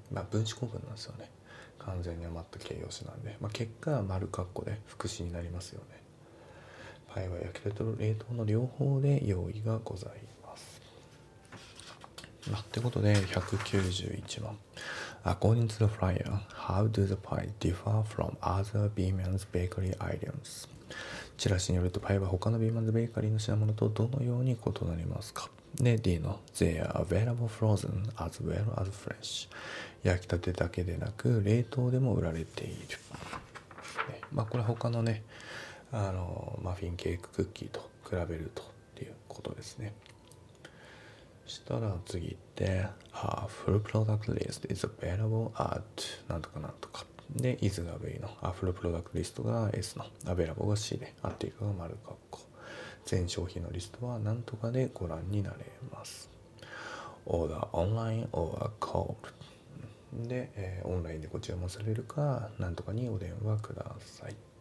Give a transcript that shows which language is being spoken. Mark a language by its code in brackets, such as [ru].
[ja] 分子構文なんですよね。完全に余った形容詞なんで、結果は丸括弧で副詞になりますよね。パイは焼けたと冷凍の両方で用意がございます。ってことで、191番。 [en] According to the flyer, how do the pie differ from other B-man's bakery items? [ja] チラシによると、パイは他の B-man's bakery の品物とどのように異なりますか？で、D の [en] They are available frozen as well as fresh。 [ja] 焼きたてだけでなく、冷凍でも売られている。これ他のね、マフィンケーク、クッキーと比べるとっていうことですね。そしたら次って、 [en] Full product list is available at [ja] なんとかなんとか。で、is が V の、Full product list が S の、available が C で、at が丸括弧。全商品のリストはなんとかでご覧になれます。 [en] Order online or call。 [ja] で、オンラインでご注文されるか、なんとかにお電話ください。